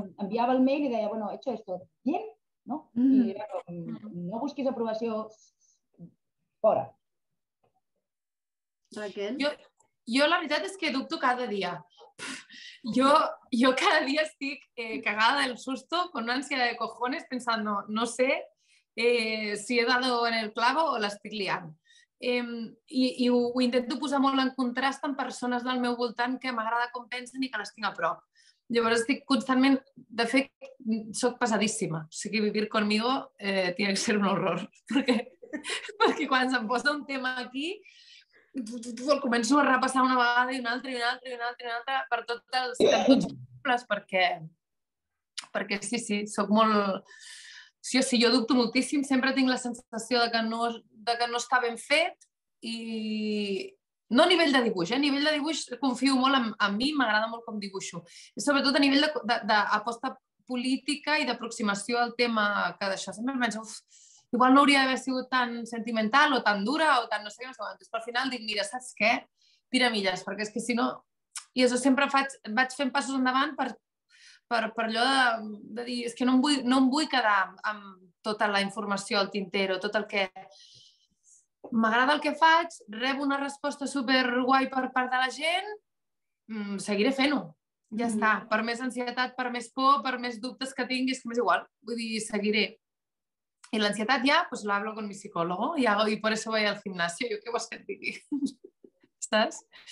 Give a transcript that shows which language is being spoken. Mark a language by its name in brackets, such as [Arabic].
[Catalan] Enviava el mail i deia, bueno, [Spanish] he hecho esto bien, [Catalan] no? I era com, no busquis aprovació fora. Raquel? Jo, [Spanish] Yo la verdad es que ducto cada día. Yo cada día estoy cagada del susto, con una ansiedad de cojones, pensando, no sé si he dado en el clavo o [Catalan] l'estic liant. I ho intento posar molt en contrast amb persones del meu voltant que m'agrada com pensen i que les tinc a prop. Llavors estic constantment, de fet, soc pesadíssima. [Spanish] O sigui, vivir conmigo tiene que ser un horror. [Catalan] Perquè quan se'm posa un tema aquí, començo a repassar una vegada i una altra i una altra i una altra i una altra per tots els temps, perquè sí, soc molt... Sí, jo dubto moltíssim, sempre tinc la sensació de que no està ben fet i no a nivell de dibuix, a nivell de dibuix confio molt en mi, m'agrada molt com dibuixo. I sobretot a nivell d'aposta política i d'aproximació al tema que d'això sempre penso, igual no hauria d'haver sigut tan sentimental o tan dura o tan no sé què, però al final dic, mira, saps què? Tira milles, perquè és que si no... I això sempre vaig fent passos endavant per allò de dir, és que no em vull quedar amb tota la informació al tintero, tot el que... M'agrada el que faig, rebo una resposta superguai per part de la gent, seguiré fent-ho, ja està. Per més ansietat, per més por, per més dubtes que tinguis, que m'és igual, vull dir, seguiré. I l'ansietat ja, [Spanish] pues lo hablo con mi psicólogo, y por eso voy al gimnasio, yo qué vas a decir, ¿estás?